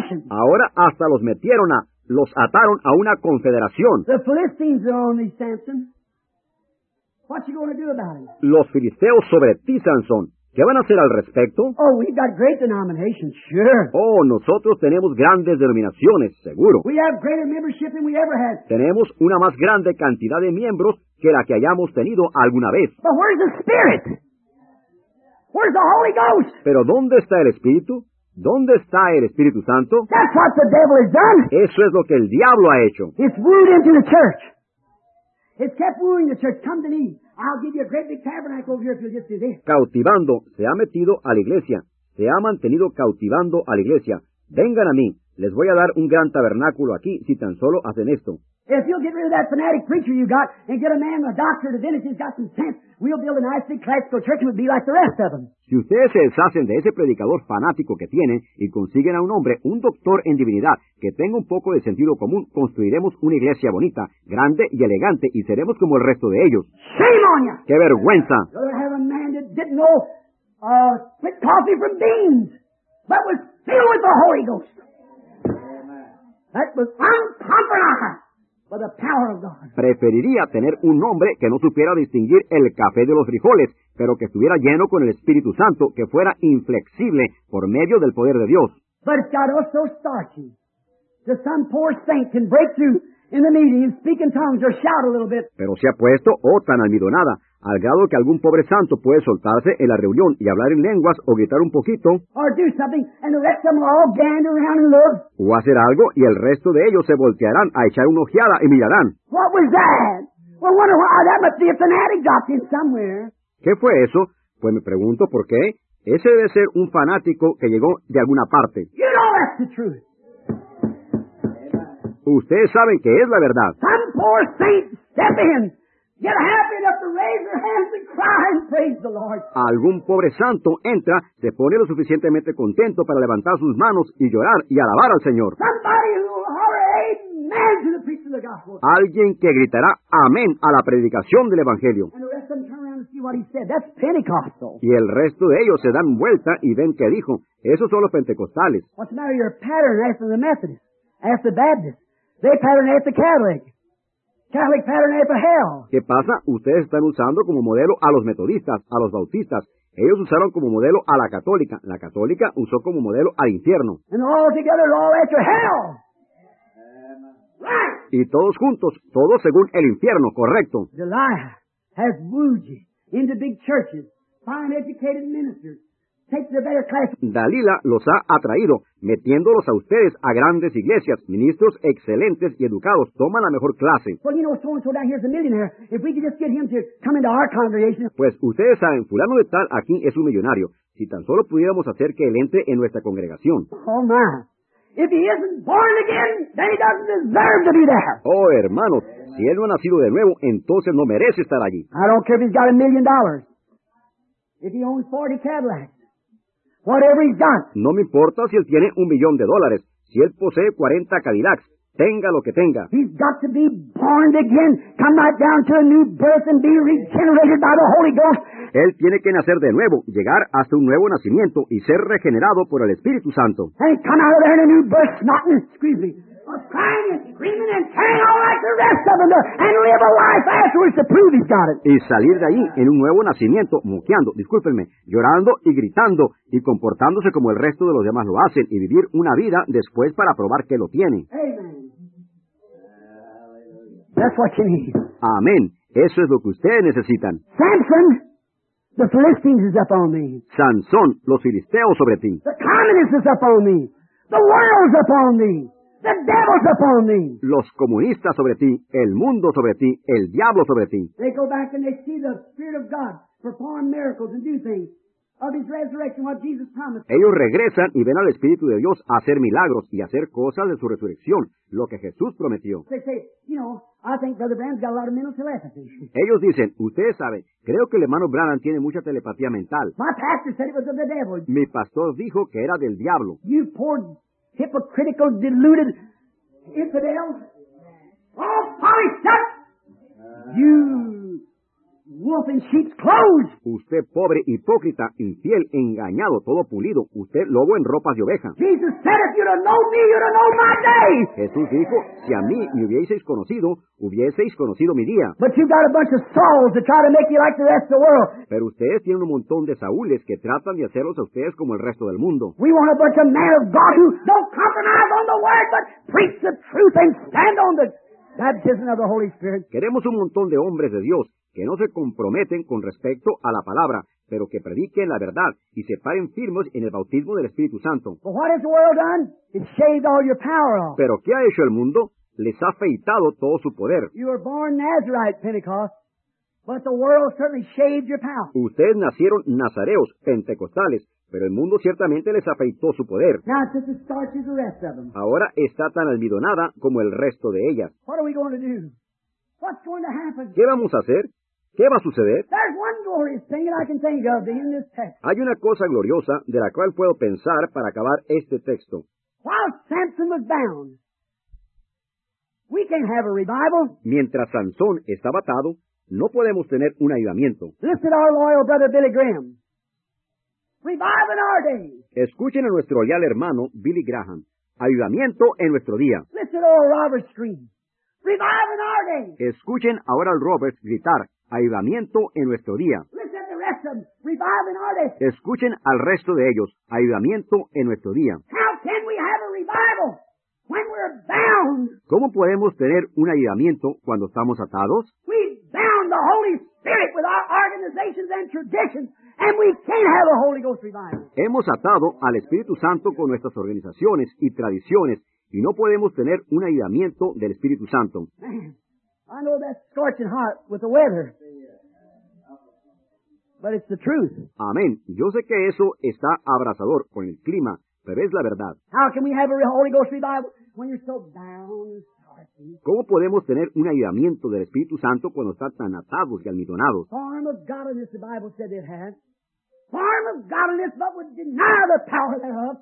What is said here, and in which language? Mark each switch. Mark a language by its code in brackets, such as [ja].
[es] Ahora hasta los metieron a... Los ataron a una confederación. [en] The Philistines are on me, Samson. What you gonna do about it? [es] Los filisteos sobre ti, Sansón. ¿Qué van a hacer al respecto? [en] Oh, we've got great denominations, sure. [es] Oh, nosotros tenemos grandes denominaciones, seguro. [en] We have greater membership than we ever had. [es] Tenemos una más grande cantidad de miembros que la que hayamos tenido alguna vez. [en] But where's the Spirit? Where's the Holy Ghost? [es] ¿Pero dónde está el Espíritu? ¿Dónde está el Espíritu Santo? [en] That's what the devil has done. [es] Eso es lo que el diablo ha hecho. [en] It's wooed into the church. It's kept wooing the church. Come to me. I'll give you a great big tabernacle over here if you'll just do this. [es] Cautivando. Se ha metido a la iglesia. Se ha mantenido cautivando a la iglesia. Vengan a mí. Les voy a dar un gran tabernáculo aquí si tan solo hacen esto. [en] If you'll get rid of that fanatic preacher you got and get a man, a doctor, a divinity, he's got some sense, we'll build a nice big classical church and we'll be like the rest of them. [es] Si ustedes se deshacen de ese predicador fanático que tienen y consiguen a un hombre, un doctor en divinidad, que tenga un poco de sentido común, construiremos una iglesia bonita, grande y elegante y seremos como el resto de ellos. [en] ¡Shame on you! [es] ¡Qué vergüenza! [en] I have a man that didn't know split coffee from beans, but was filled with the Holy Ghost. That was uncompromised. By the power of God. [es] Preferiría tener un hombre que no supiera distinguir el café de los frijoles, pero que estuviera lleno con el Espíritu Santo, que fuera inflexible por medio del poder de Dios. [en] But it's got us so starchy that some poor saint can break through in the meeting and speak in tongues or shout a little bit. [es] Pero se ha puesto tan almidonada, al grado que algún pobre santo puede soltarse en la reunión y hablar en lenguas o gritar un poquito. [en] Or do something and the rest of them all gander around and look. [es] O hacer algo y el resto de ellos se voltearán a echar una ojeada y mirarán. [en] What was that? Well, wonder why that must be a fanatic dropped in somewhere. [es] ¿Qué fue eso? Pues me pregunto por qué. Ese debe ser un fanático que llegó de alguna parte. [en] You know that's the truth. [es] Ustedes saben que es la verdad. [en] Some poor saint step in. Get happy enough to raise your hands and cry and praise the Lord. [es] Algún pobre santo entra, se pone lo suficientemente contento para levantar sus manos y llorar y alabar al Señor. [en] Somebody who will holler amen to the preaching of the gospel. [es] Alguien que gritará amén a la predicación del Evangelio. [en] And the rest of them turn around and see what he said. That's Pentecostal. [es] Y el resto de ellos se dan vuelta y ven qué dijo. Esos son los pentecostales. [en] What's the matter? Your pattern after the Methodist, after the Baptist. They pattern after Catholic. Catholic pattern after hell. [es] ¿Qué pasa? Ustedes están usando como modelo a los metodistas, a los bautistas. Ellos usaron como modelo a la católica. La católica usó como modelo al infierno. [en] And all together, all after hell. Right. [es] Y todos juntos, todos según el infierno, correcto. [en] Delilah has wooed you into big churches, fine educated ministers. Take the better class. [es] Dalila los ha atraído, metiéndolos a ustedes a grandes iglesias. Ministros excelentes y educados toman la mejor clase. [en] Well, you know, so-and-so down here is a millionaire. If we could just get him to come into our congregation. [es] Pues ustedes saben, fulano de tal aquí es un millonario. Si tan solo pudiéramos hacer que él entre en nuestra congregación. [en] Oh, my. If he isn't born again, then he doesn't deserve to be there. [es] Oh, hermano, si él no ha nacido de nuevo, entonces no merece estar allí. [en] I don't care if he's got $1,000,000. If he owns 40 Cadillacs. Whatever he's got. [es] No me importa si él tiene $1,000,000. Si él posee 40 Cadillacs, tenga lo que tenga. [en] He's got to be born again. Come right down to a new birth and be regenerated by the Holy Ghost. [es] Él tiene que nacer de nuevo, llegar hasta un nuevo nacimiento y ser regenerado por el Espíritu Santo. [en] And come out of there in a new birth, snotting, excuse me, or crying and screaming and tearing all like the rest of them, and live a life afterwards to prove he's got it. [es] Y salir de ahí en un nuevo nacimiento, moqueando, discúlpenme, llorando y gritando, y comportándose como el resto de los demás lo hacen, y vivir una vida después para probar que lo tiene. [en] Amen. That's what you need. [es] Amén. Eso es lo que ustedes necesitan. [en] Samson, The Philistines is up on me. [es] Sansón, los filisteos sobre ti. [en] The communists is up on me. The world's up on me. The devil's up on me. [es] Los comunistas sobre ti, el mundo sobre ti, el diablo sobre ti. [en] They go back and they see the Spirit of God perform miracles and do things of His resurrection, what Jesus promised. [es] Ellos regresan y ven al Espíritu de Dios hacer milagros y hacer cosas de su resurrección, lo que Jesús prometió. [en] They say, you know, I think Brother Branham's got a lot of mental telepathy. [es] Ellos dicen, ustedes saben, creo que el hermano Branham tiene mucha telepatía mental. [en] My pastor said it was of the devil. [es] Mi pastor dijo que era del diablo. [en] You poor, hypocritical, deluded infidels. Oh, folly stuff! You wolf in sheep's clothes. [es] Usted pobre, hipócrita, infiel, engañado, todo pulido. Usted lobo en ropas de oveja. [en] Jesus said, if you don't know me, you don't know my day. [es] Jesús dijo, si a mí me hubieseis conocido mi día. [en] But you've got a bunch of souls to try to make you like the rest of the world. [es] Pero ustedes tienen un montón de saúles que tratan de hacerlos a ustedes como el resto del mundo. [en] We want a bunch of men of God who don't compromise on the word, but preach the truth and stand on the baptism of the Holy Spirit. [es] Queremos un montón de hombres de Dios que no se comprometen con respecto a la palabra, pero que prediquen la verdad y se paren firmes en el bautismo del Espíritu Santo. [en] But what has the world done? It shaved all your power off. [es] ¿Pero qué ha hecho el mundo? Les ha afeitado todo su poder. [en] You were born Nazarite, Pentecost, but the world certainly shaved your power. [es] Ustedes nacieron nazareos, pentecostales, pero el mundo ciertamente les afeitó su poder. [en] Now it's just as starchy as the rest of them. [es] Ahora está tan almidonada como el resto de ellas. [en] What are we going to do? What's going to happen? [es] ¿Qué vamos a hacer? ¿Qué va a suceder? [en] There's one glorious thing that I can think of in this text. [es] Hay una cosa gloriosa de la cual puedo pensar para acabar este texto. [en] While Samson was bound, we can't have a revival. [es] Mientras Sansón estaba atado, no podemos tener un avivamiento. [en] Listen to our loyal brother Billy Graham. Revival in our day. [es] Escuchen a nuestro leal hermano Billy Graham. Avivamiento en nuestro día. [en] Listen to Robert scream. Revival in our day. [es] Escuchen ahora al Robert gritar. Avivamiento en nuestro día. [en] Listen to the rest of them. Revival in our day. [es] Escuchen al resto de ellos. Avivamiento en nuestro día. [en] How can we have a revival when we're bound? [es] ¿Cómo podemos tener un avivamiento cuando estamos atados? [en] The Holy Spirit with our organizations and traditions, and we can't have a Holy Ghost revival. [es] Hemos atado al Espíritu Santo con nuestras organizaciones y tradiciones, y no podemos tener un avivamiento del Espíritu Santo. [en] Man, I know that's scorching hot with the weather, but it's the truth. [es] Amén. Yo sé que eso está abrasador con el clima, pero es la verdad. [en] How can we have a Holy Ghost revival when you're so bound? [es] ¿Cómo podemos tener un avivamiento del Espíritu Santo cuando están tan atados y almidonados? [en] Form of godliness, the Bible said it had. Form of godliness, but would deny the power thereof.